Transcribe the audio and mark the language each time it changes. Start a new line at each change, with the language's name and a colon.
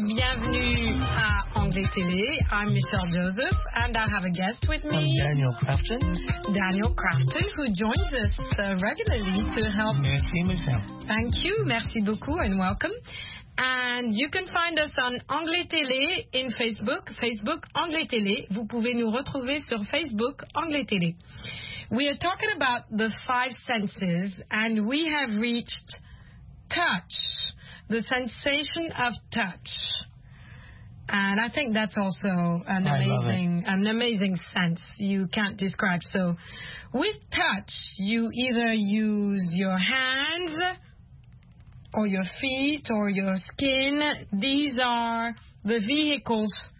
French: Bienvenue à Anglais Télé.
English: I'm Michelle Joseph, and I have a guest with me. I'm Daniel Crafton. Daniel Crafton, who joins us regularly to help.
French: Merci, Michelle.
English: Thank you.
French: Merci beaucoup,
English: and welcome. And you can find us on Anglais Télé in Facebook. Facebook Anglais Télé.
French: Vous pouvez nous retrouver sur Facebook Anglais Télé.
English: We are talking about the five senses, and we have reached touch, the sensation of touch. And I think that's also an amazing sense you can't describe. So with touch, you either use your hands or your feet or your skin. These are the vehicles